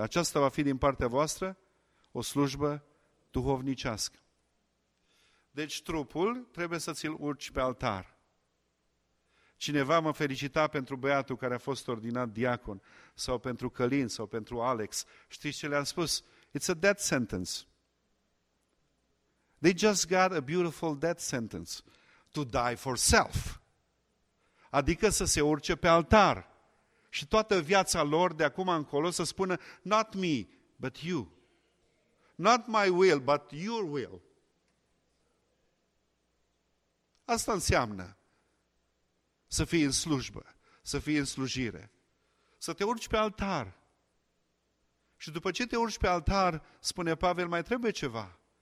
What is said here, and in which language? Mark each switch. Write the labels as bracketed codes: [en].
[ro] Aceasta va fi din partea voastră o slujbă duhovnicească. Deci trupul trebuie să ți-l urci pe altar. Cineva mă felicita pentru băiatul care a fost ordinat diacon, sau pentru Călin, sau pentru Alex. Știți ce le-am spus? [en] It's a death sentence. They just got a beautiful death sentence. to die for self. [ro] Adică să se urce pe altar. Și toată viața lor de acum încolo să spună, [en] not me, but you. Not my will, but your will. [ro] Asta înseamnă să fii în slujbă, să fii în slujire. Să te urci pe altar. Și după ce te urci pe altar, spune Pavel, mai trebuie ceva.